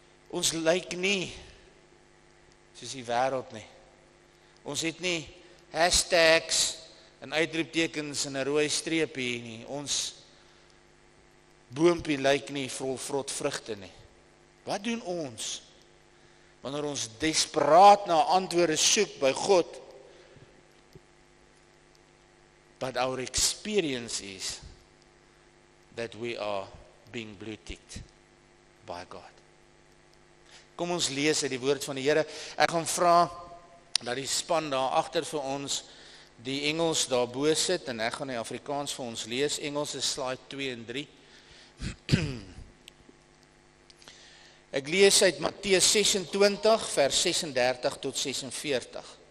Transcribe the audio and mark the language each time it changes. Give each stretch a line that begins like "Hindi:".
Afrikaans: Ons lyk nie soos die wêreld nie. Ons het nie hashtags en uitroeptekens en 'n rooi streep hier nie. Ons boompie lyk nie vol vrot vrugte nie. Wat doen ons wanneer ons desperaat na antwoorde soek by God,
English: but our experience is that we are being blue-ticked by God.
Afrikaans: Kom ons lees uit die woord van die Here. Ek gaan vra dat die span daar agter vir ons die Engels daar bo sit en ek gaan die Afrikaans vir ons lees. Engels is slide 2 en 3. Ek lees uit Matteus 26 vers 36 tot 46.